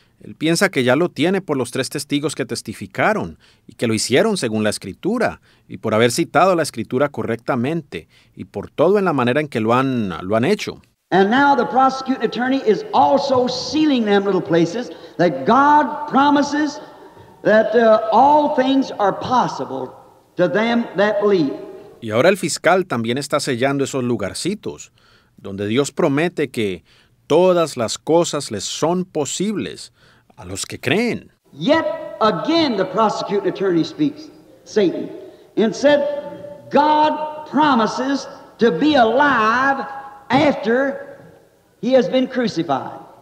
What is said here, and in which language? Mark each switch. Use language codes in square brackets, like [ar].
[es] Él piensa que ya lo tiene por los tres testigos que testificaron y que lo hicieron según la Escritura y por haber citado la Escritura correctamente y por todo en la manera en que lo han hecho. [en] And now the prosecuting attorney is also sealing them little places that God promises that all things are possible to them that believe. [es] Y ahora el fiscal también está sellando esos lugarcitos donde Dios promete que todas las cosas les son posibles a los que creen. [en] Yet again the prosecuting attorney speaks, Satan, and said, God promises to be alive after he has been crucified.